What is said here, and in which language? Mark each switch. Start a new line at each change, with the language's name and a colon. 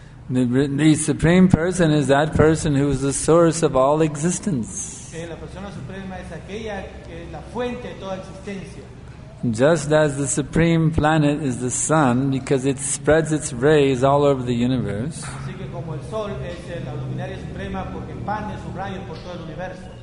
English: The supreme person is that person who is the source of all existence.
Spanish: La persona suprema es aquella que es la fuente de toda existencia.
English: Just as the supreme planet is the sun, because it spreads its rays all over the universe.
Spanish: Así que como el sol es la luminaria suprema porque expande sus rayos por todo el universo.